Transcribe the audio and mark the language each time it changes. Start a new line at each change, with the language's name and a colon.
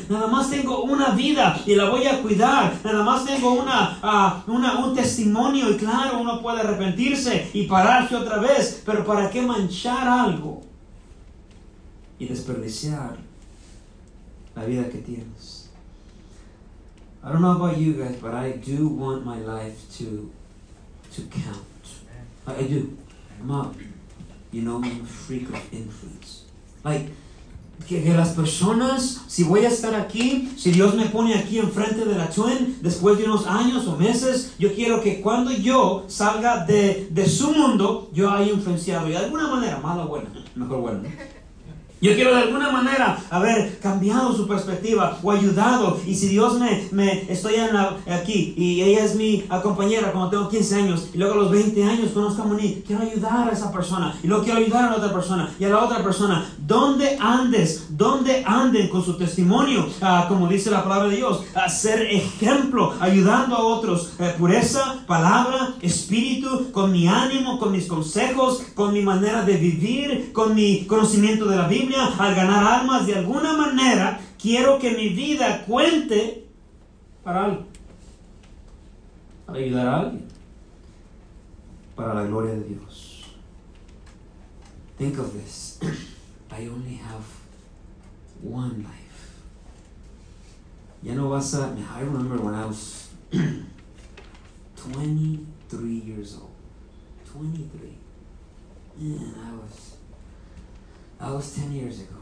Spanish: Nada más tengo una vida y la voy a cuidar. Nada más tengo un testimonio. Y claro, uno puede arrepentirse y pararse otra vez. Pero ¿para qué manchar algo y desperdiciar la vida que tienes?
English: I don't know about you guys, but I do want my life to count. I do. I'm a freak of influence.
Spanish: Like, que las personas, si voy a estar aquí, si Dios me pone aquí enfrente de la Twin, después de unos años o meses, yo quiero que cuando yo salga de su mundo, yo haya influenciado. Y de alguna manera, mala o buena, mejor buena. Yo quiero de alguna manera haber cambiado su perspectiva o ayudado. Y si Dios me estoy aquí y ella es mi compañera cuando tengo 15 años y luego a los 20 años conozco a Moni, quiero ayudar a esa persona y luego quiero ayudar a la otra persona y a la otra persona. ¿Dónde andes? ¿Dónde anden con su testimonio? Como dice la palabra de Dios, ser ejemplo, ayudando a otros. Pureza, palabra, espíritu, con mi ánimo, con mis consejos, con mi manera de vivir, con mi conocimiento de la Biblia, al ganar almas, de alguna manera quiero que mi vida cuente para algo, para ayudar a alguien, para la gloria de Dios.
English: Think of this, I only have one life.
Spanish: Ya no vas a,
English: I remember when I was 23 years old, 23, and I was 10 years ago.